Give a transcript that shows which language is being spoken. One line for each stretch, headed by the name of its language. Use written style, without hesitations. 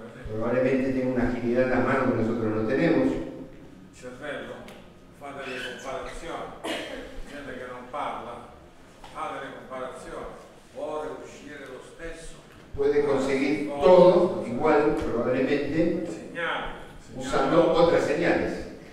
Spanish: Probablemente tiene una agilidad en la mano que nosotros no tenemos.
Italian: Cervello, fa delle comparazioni. Gente che non parla, fa delle comparazioni. Vuole uscire lo stesso.
Spanish: Puede conseguir todo igual, probablemente, usando otras señales.